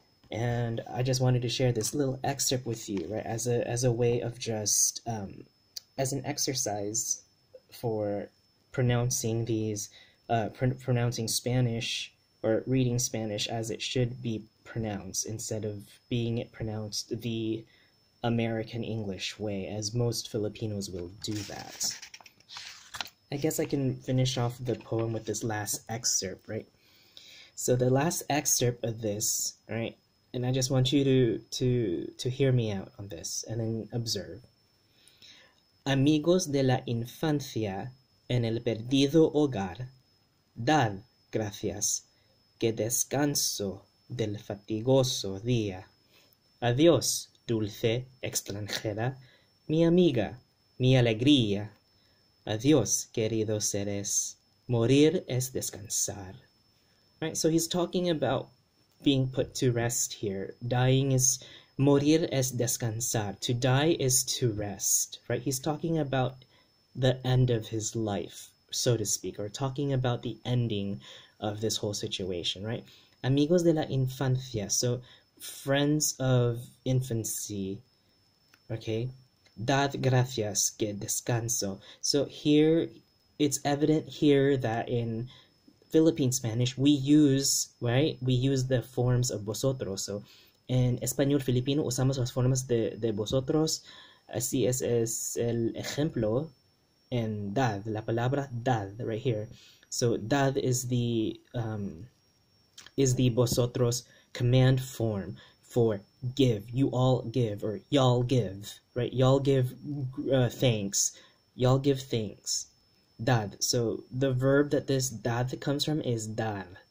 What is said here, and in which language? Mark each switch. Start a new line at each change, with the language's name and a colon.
English: And I just wanted to share this little excerpt with you, right? As a way of just as an exercise for pronouncing these pr pronouncing Spanish or reading Spanish as it should be pronounced instead of being it pronounced the American English way, as most Filipinos will do that. I guess I can finish off the poem with this last excerpt, right? So the last excerpt of this, right, And I just want you to hear me out on this and then observe.
Spanish: Amigos de la infancia en el perdido hogar, dad gracias que descanso del fatigoso día. Adiós, dulce extranjera, mi amiga, mi alegría. Adiós, queridos seres, morir es descansar.
English: Right, so he's talking about being put to rest here. Dying is,
Spanish: morir es descansar.
English: To die is to rest, right? He's talking about the end of his life, so to speak, or talking about the ending of this whole situation, right?
Spanish: Amigos de la infancia,
English: so friends of infancy, okay?
Spanish: Dad gracias que descanso.
English: So here, it's evident here that in Philippine Spanish, we use, right? We use the forms of vosotros. So in
Spanish: Español Filipino, usamos las formas de vosotros. Así es el ejemplo en dad, la palabra dad,
English: right here. So dad is the vosotros command form for give. You all give, or y'all give, right? Y'all give thanks. Y'all give thanks. Dad. So the verb that this dad comes from is dar.